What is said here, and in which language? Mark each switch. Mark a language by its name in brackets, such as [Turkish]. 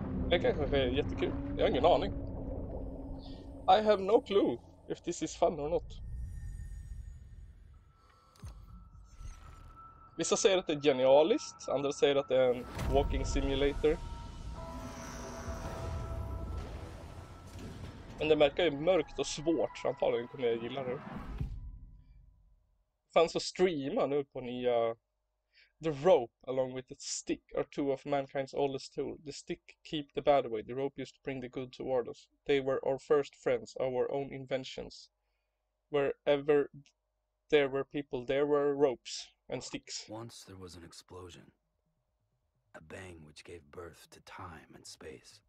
[Swedish] Det kanske är jättekul. Jag har ingen aning. [English] I have no clue if this is fun or not. [Swedish] Vissa säger att det är genialiskt, andra säger att det är en walking simulator. Men det verkar ju mörkt och svårt, så antagligen kommer jag gilla det. Fanns att streama nu på nya... [English] The rope along with the stick are two of mankind's oldest tools. The stick keep the bad away, the rope used to bring the good toward us. They were our first friends, our own inventions. Wherever there were people, there were ropes. And sticks. Once there was an explosion, a bang which gave birth to time and space.